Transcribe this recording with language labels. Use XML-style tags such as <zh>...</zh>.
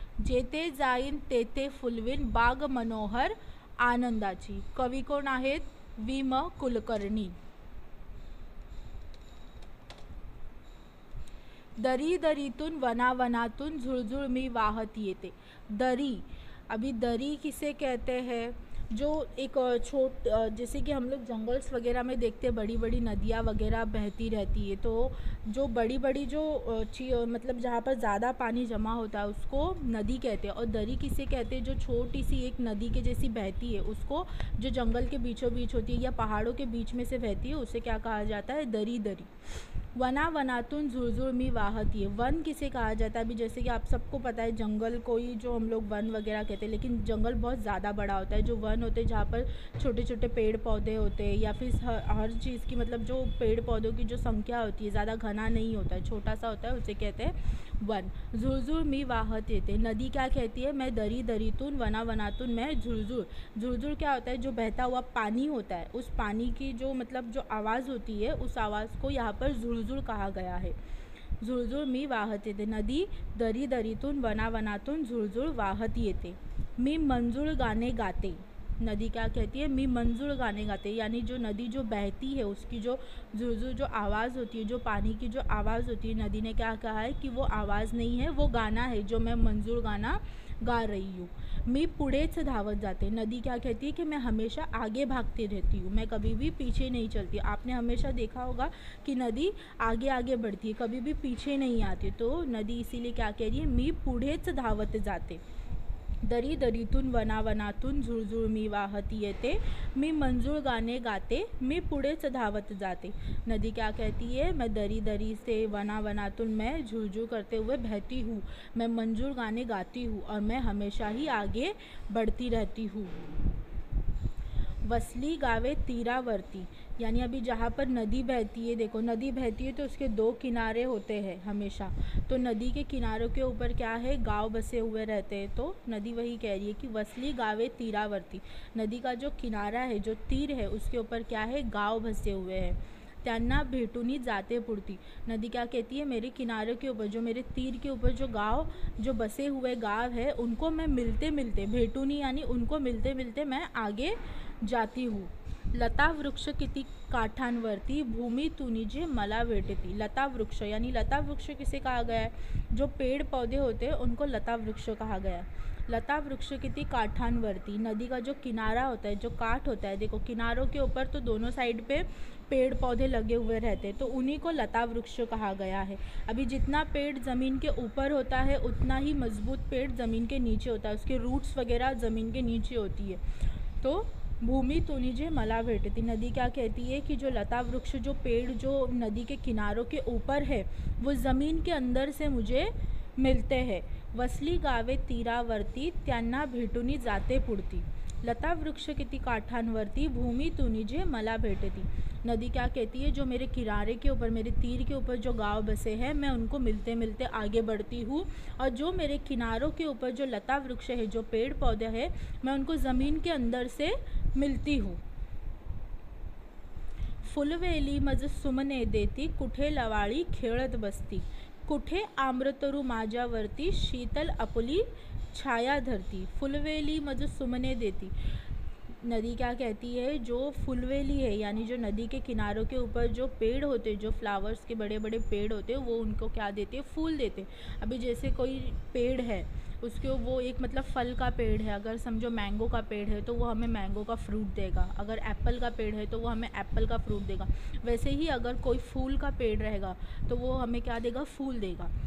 <mr>जेथे जाईन तेथे फुलवीन बाग मनोहर आनंदाची. कवी कोण आहेत? वि म कुलकर्णी. दरी दरीतून वनावनातून झुळझुळ मी वाहत येते.</mr> <hi>दरी, अभी दरी किसे कहते हैं? जो एक छोट जैसे कि हम लोग जंगल्स वगैरह में देखते हैं बड़ी बड़ी नदियाँ वगैरह बहती रहती है, तो जो बड़ी बड़ी जो मतलब जहाँ पर ज़्यादा पानी जमा होता है उसको नदी कहते हैं. और दरी किसे कहते हैं? जो छोटी सी एक नदी के जैसी बहती है, उसको जो जंगल के बीचों बीच होती है या पहाड़ों के बीच में से बहती है, उसे क्या कहा जाता है?</hi> <mr>दरी दरी. वना वनातून झुळझुळ मी वाहती है.</mr> <hi>वन किसे कहा जाता है? अभी जैसे कि आप सबको पता है जंगल को ही जो हम लोग वन वगैरह कहते हैं, लेकिन जंगल बहुत ज़्यादा बड़ा होता है. जो वन होते हैं जहाँ पर छोटे छोटे पेड़ पौधे होते हैं या फिर हर चीज़ की मतलब जो पेड़ पौधों की जो संख्या होती है ज़्यादा घना नहीं होता है, छोटा सा होता है, उसे कहते हैं वन.</hi> <mr>झुळझुळ मी वाहत येते.</mr> <hi>नदी क्या कहती है? मैं दरी दरीतून वना वनातून मैं झुळझुळ. झुळझुळ क्या होता है? जो बहता हुआ पानी होता है, उस पानी की जो मतलब जो आवाज़ होती है उस आवाज़ को यहाँ पर झुळझुळ कहा गया है.</hi> <mr>झुळझुळ मी वाहत येते. नदी दरी दरीतून वना वनातून झुळझुळ वाहत येते. मी मंजूळ गाणे गाते.</mr> <hi>नदी क्या कहती है?</hi> <mr>मी मंजूळ गाणे गाते,</mr> <hi>यानी जो नदी जो बहती है उसकी जो झुळझुळ जो आवाज़ होती है, जो पानी की जो आवाज़ होती है, नदी ने क्या कहा है कि वो आवाज़ नहीं है, वो गाना है जो मैं मंजूळ गाना गा रही हूँ.</hi> <mr>मी पुढ़ेच धावत जाते.</mr> <hi>नदी क्या कहती है? कि मैं हमेशा आगे भागती रहती हूँ, मैं कभी भी पीछे नहीं चलती. आपने हमेशा देखा होगा कि नदी आगे आगे बढ़ती है, कभी भी पीछे नहीं आती. तो नदी इसीलिए क्या कह रही है?</hi> <mr>मी पुढ़ेच धावत जाते. दरी दरीतून वना वनातून झुळझुळ मी वाहत येते. मी मंजूळ गाणे गाते, मी पुढेच धावत जाते.</mr> <hi>नदी क्या कहती है? मैं दरी दरी से वना वनातून मैं झुळझुळ करते हुए बहती हूँ, मैं मंजूळ गाने गाती हूँ और मैं हमेशा ही आगे बढ़ती रहती हूँ.</hi> <mr>वसली गावे तीरावर्ती,</mr> <hi>यानी अभी जहाँ पर नदी बहती है, देखो नदी बहती है तो उसके दो किनारे होते हैं हमेशा, तो नदी के किनारों के ऊपर क्या है? गांव बसे हुए रहते हैं. तो नदी वही कह रही है कि</hi> <mr>वसली गावे तीरावर्ती.</mr> <hi>नदी का जो किनारा है, जो तीर है, उसके ऊपर क्या है? गांव बसे हुए हैं.</hi> <mr>त्यांना भेटूनी जाते पुढती.</mr> <hi>नदी क्या कहती है? मेरे किनारे के ऊपर जो मेरे तीर के ऊपर जो गांव जो बसे हुए गांव है उनको मैं मिलते मिलते भेटूनी, यानी उनको मिलते मिलते मैं आगे जाती हूँ.</hi> <mr>लता वृक्ष किती काठांवरती, भूमि तुनिजे मला भेटती.</mr> <hi>लता वृक्ष यानी लता वृक्ष किसे कहा गया है? जो पेड़ पौधे होते हैं उनको लता वृक्ष कहा गया है.</hi> <mr>लता वृक्ष किती काठांवरती,</mr> <hi>नदी का जो किनारा होता है, जो काठ होता है, देखो किनारों के ऊपर तो दोनों साइड पे पेड़ पौधे लगे हुए रहते हैं, तो उन्हीं को लता वृक्ष कहा गया है. अभी जितना पेड़ ज़मीन के ऊपर होता है उतना ही मजबूत पेड़ ज़मीन के नीचे होता है, उसके रूट्स वगैरह ज़मीन के नीचे होती है.</hi> <mr>तो भूमि तुनिजे मला भेटती.</mr> <hi>नदी क्या कहती है? कि जो लता वृक्ष जो पेड़ जो नदी के किनारों के ऊपर है वो ज़मीन के अंदर से मुझे मिलते हैं.</hi> <mr>वसली गावे तीरावर्ती, त्यांना भेटूनी जाते पुढती. लता वृक्ष किती काठांवरती, भूमि तुनिजे मला भेटती.</mr> <hi>नदी क्या कहती है? जो मेरे किनारे के ऊपर मेरे तीर के ऊपर जो गांव बसे हैं मैं उनको मिलते मिलते आगे बढ़ती हूँ, और जो मेरे किनारों के ऊपर जो लता वृक्ष है जो पेड़ पौधे है मैं उनको ज़मीन के अंदर से मिलती हूँ.</hi> <mr>फुलवेली मज सुमने देती, कुठे लवाळी खेळत बसती. कुठे आम्रतरू माझ्यावरती, शीतल अपुली छाया धरती. फुलवेली मज सुमने देती,</mr> <hi>नदी क्या कहती है, जो फुलवेली है यानी जो नदी के किनारों के ऊपर जो पेड़ होते हैं, जो फ्लावर्स के बड़े बड़े पेड़ होते हैं, वो उनको क्या देते हैं, फूल देते हैं। अभी जैसे कोई पेड़ है उसके वो एक मतलब फल का पेड़ है, अगर समझो मैंगो का पेड़ है तो वो हमें मैंगो का फ्रूट देगा, अगर एप्पल का पेड़ है तो वो हमें एप्पल का फ्रूट देगा, वैसे ही अगर कोई फूल का पेड़ रहेगा तो वो हमें क्या देगा, फूल देगा।</hi>